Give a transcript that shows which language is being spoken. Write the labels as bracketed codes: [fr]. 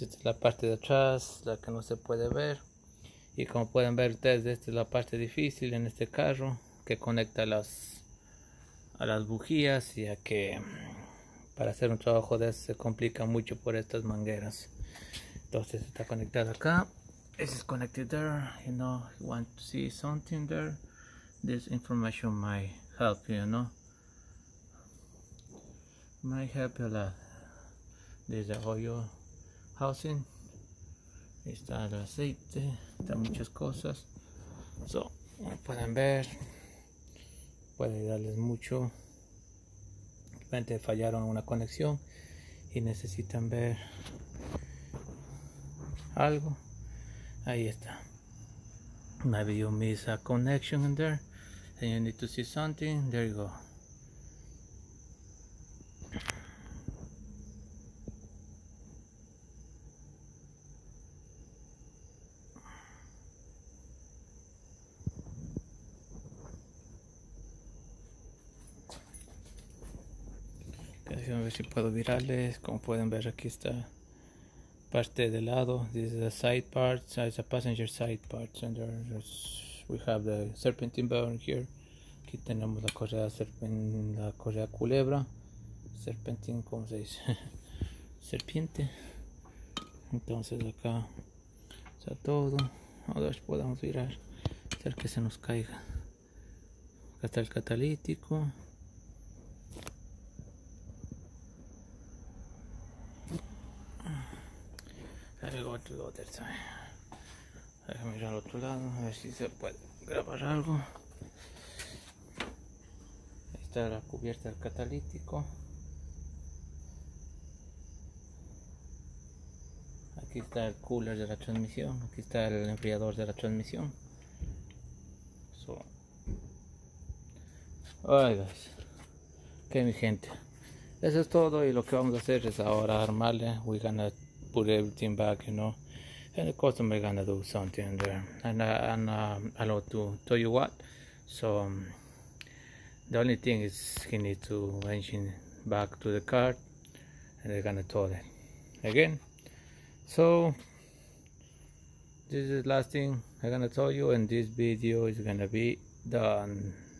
[es] Esta es la parte de atrás, la que no se puede ver, y como pueden ver ustedes, esta es la parte difícil en este carro, que conecta a las bujías, ya que para hacer un trabajo de eso se complica mucho por estas mangueras. Entonces está conectado acá. [en] This is connected there, you know. If you want to see something there, this information might help you, you know. Might help you a lot. This is the oil housing. [es] Está el aceite, está muchas cosas. So, pueden ver. Puede ayudarles mucho. De repente fallaron una conexión y necesitan ver algo. Ahí está. [en] Maybe you miss a connection in there and you need to see something. There you go. [es] Okay, déjame ver si puedo virarles. Como pueden ver, aquí está parte de lado. [en] This is a side part, so it's a passenger side part, and we have the serpentine bearing here. [es] Aquí tenemos la correa culebra, serpentine, como se dice, serpiente. Entonces acá está todo. A ver si podemos virar, hacer que se nos caiga. Acá está el catalítico. Déjame ir al otro lado a ver si se puede grabar algo. Ahí está la cubierta del catalítico. Aquí está el cooler de la transmisión. Aquí está el enfriador de la transmisión. So. Ay, guys. Ok, mi gente. Eso es todo. Y lo que vamos a hacer es ahora armarle. [en] We're gonna put everything back, you know. And the customer gonna do something there, and I'll to tell you what. So the only thing is he need to engine back to the car, and they're gonna tow it again. So this is the last thing I'm gonna tell you, and this video is gonna be done.